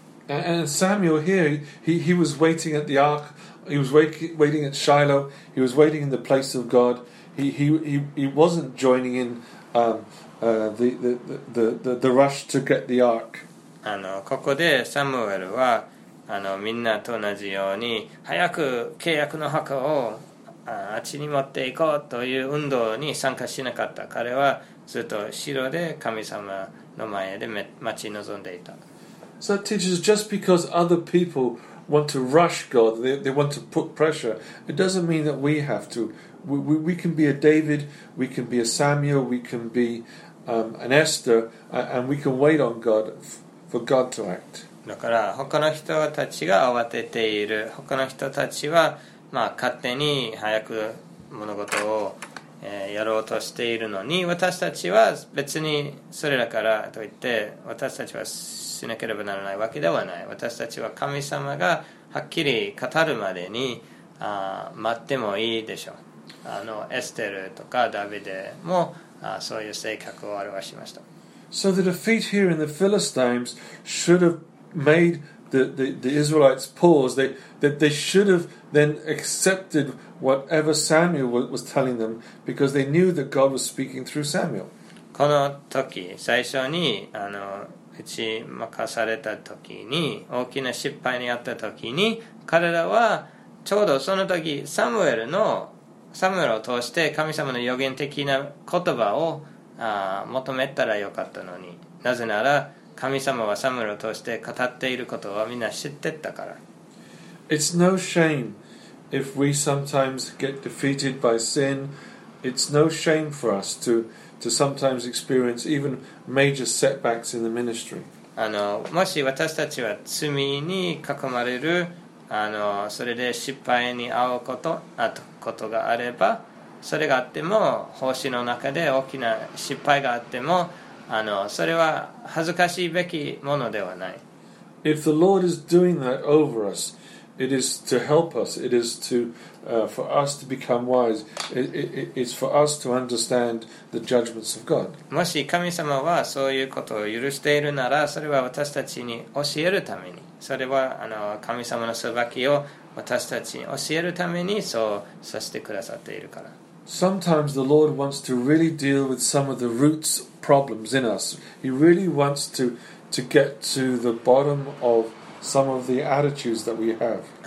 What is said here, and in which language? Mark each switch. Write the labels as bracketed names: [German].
[English] And Samuel here, he was waiting at the ark. He was waiting at Shiloh. He was waiting in the place of God. He wasn't joining in the rush to get the ark. [Japanese] あのここでサムエルはあのみんなと同じように早く契約の墓をあっちに持っていこうという運動に参加しなかった。彼はずっと城で神様の前で待ち望んでいた。 [English] So that teaches just because other people want to rush God, they want to put pressure, it doesn't mean that we have to. We can be a David, we can be a Samuel, we can be an Esther, and we can wait on God for God to act. [Japanese] だから他の人たちが慌てている、他の人たちはまあ、勝手に早く物事を、やろうとしているのに、私たちは別にそれだからといって私たちはしなければならないわけではない。私たちは神様がはっきり語るまでに待ってもいいでしょう。あのエステルとかダビデもそういう性格を表しました。 [English] So the defeat here in the Philistines should have madeThe Israelites paused. They should have then accepted whatever Samuel was telling them, because they knew that God was speaking through Samuel. [Japanese] この時、最初にあの打ち負かされた時に、大きな失敗にあった時に、彼らはちょうどその時サムエルを通して神様の預言的な言葉を求めたらよかったのに。なぜなら神様はサムエルを通して語っていることはみんな知ってったから。 [English] It's no shame if we sometimes get defeated by sin. It's no shame for us to sometimes experience even major setbacks in the ministry. [Japanese] あのもし私たちは罪に囲まれるあのそれで失敗に遭うことあとことがあれば、それがあっても奉仕の中で大きな失敗があっても、あのそれは恥ずかしいべきものではない。 [English] If the Lord is doing that over us, It is to help us. It is to for us to become wise. It's for us to understand the judgments of God. [Japanese] もし神様はそういうことを許しているなら、それは私たちに教えるために。それは神様の裁きを私たちに教えるためにそうさせてくださっているから。 [English] Sometimes the Lord wants to really deal with some of the roots problems in us. He really wants to get to the bottom of some of the attitudes that we have.